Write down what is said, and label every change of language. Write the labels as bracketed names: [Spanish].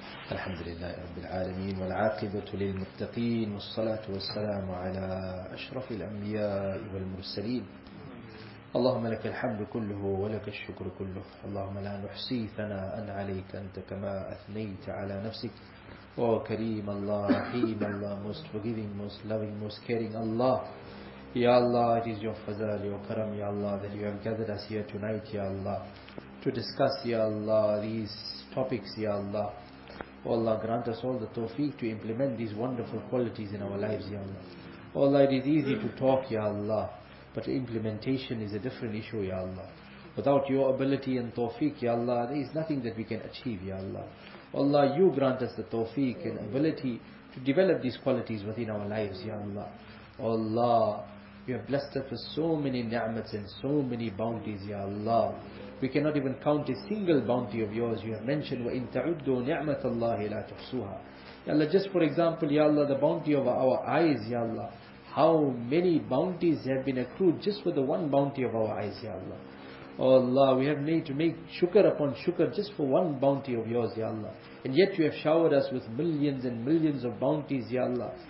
[Arabic] الحمد لله رب العالمين والعاقبة للمتقين والصلاة والسلام على أشرف الأنبياء والمرسلين. اللهم لك الحمد كله ولك الشكر كله. اللهم لا نحصي ثناء عليك أنت كما أثنيت على نفسك. أو كريم الله رحيم الله [English] most forgiving most loving most caring Allah. Ya Allah, it is your fazal, your karam, Ya Allah, that you have gathered us here tonight, Ya Allah, to discuss, Ya Allah, these topics, Ya Allah. O Allah, grant us all the tawfiq to implement these wonderful qualities in our lives, Ya Allah. O Allah, it is easy to talk, Ya Allah, but implementation is a different issue, Ya Allah. Without your ability and tawfiq, Ya Allah, there is nothing that we can achieve, Ya Allah. O Allah, you grant us the tawfiq and ability to develop these qualities within our lives, Ya Allah. O Allah, you have blessed us with so many ni'mats and so many bounties, Ya Allah. We cannot even count a single bounty of yours. You have mentioned, [Arabic] وَإِن تَعُدُّوا نِعْمَةَ اللَّهِ لَا تُحْصُوهَا. [English] Ya Allah, just for example, Ya Allah, the bounty of our eyes, Ya Allah. How many bounties have been accrued just with the one bounty of our eyes, Ya Allah. Oh Allah, we have made to make shukr upon shukr just for one bounty of yours, Ya Allah. And yet you have showered us with millions and millions of bounties, Ya Allah.